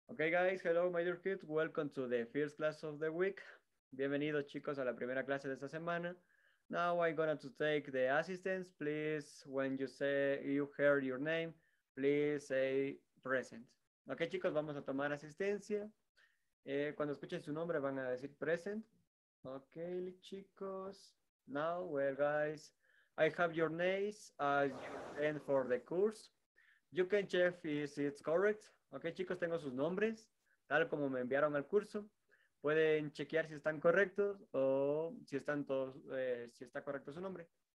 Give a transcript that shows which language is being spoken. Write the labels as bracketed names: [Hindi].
[English] guys, hello my dear kids, welcome to the first class of the week. [Spanish] Bienvenidos chicos a la primera clase de esta semana. [English] Now I'm going to take the assistance. Please, when you say you hear your name, please say present. [Spanish] Okay, chicos, vamos a tomar asistencia. Cuando escuchen su nombre van a decir present. Okay, chicos. [English] Now, well, guys, I have your names as you end for the course. You can check if it's correct. [Spanish] Okay, chicos, tengo sus nombres, tal como me enviaron al curso. Pueden chequear si están correctos o si están todos, si está correcto su nombre.